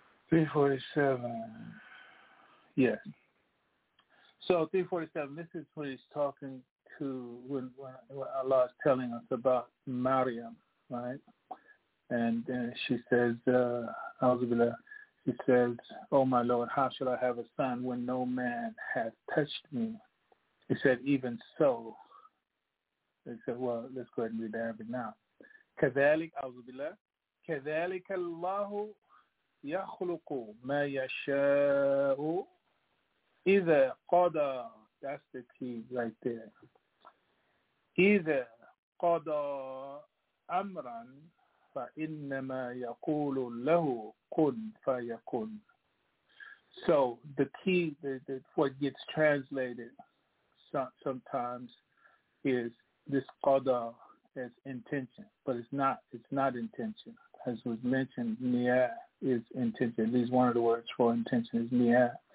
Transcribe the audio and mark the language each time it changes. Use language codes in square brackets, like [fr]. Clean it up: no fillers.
[en] 347. Yes. So 347, this is when he's talking to, when Allah is telling us about Maryam, right? And she says, Al-Zubillah, she says, oh my Lord, how shall I have a son when no man has touched me? He said, even so. He said, well, let's go ahead and read the Arabic now. [ar] كذلك أعوذ بالله كذلك الله يخلق ما يشاء إذا قضى [en] that's the key right there [ar] إذا قضى أمرا فإنما يقول له كن فيكون. [en] So the key, what gets translated sometimes is this qada as intention, but it's not intention. As was mentioned, niyah is intention. These one of the words for intention is niyah.